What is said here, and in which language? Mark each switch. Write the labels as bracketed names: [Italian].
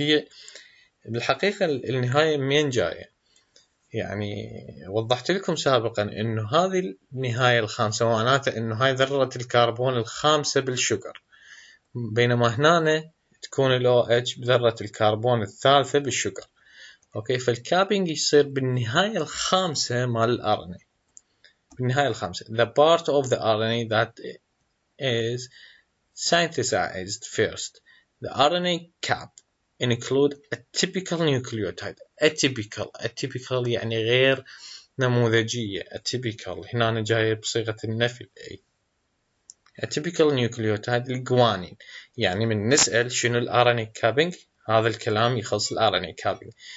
[Arabic] هي بالحقيقة النهاية مين جاية؟ يعني وضحت لكم سابقا انه هذه النهاية الخامسة معناتها انه هاي ذرة الكربون الخامسة بالشجر، بينما هنا تكون الـ OH بذرة الكربون الثالثة بالشجر. اوكي، فالكابينج يصير بالنهايه الخامسه مال الار ان اي، بالنهايه الخامسه، [English] the part of the RNA that is synthesized first. The RNA cap include a typical nucleotide. [Arabic] Atypical، atypical يعني غير نموذجيه. Atypical هنا انا جاي بصيغه النفي، atypical nucleotide الجوانين. يعني من نسال شنو الار ان اي كابينج، هذا الكلام يخص الار ان اي كابينج.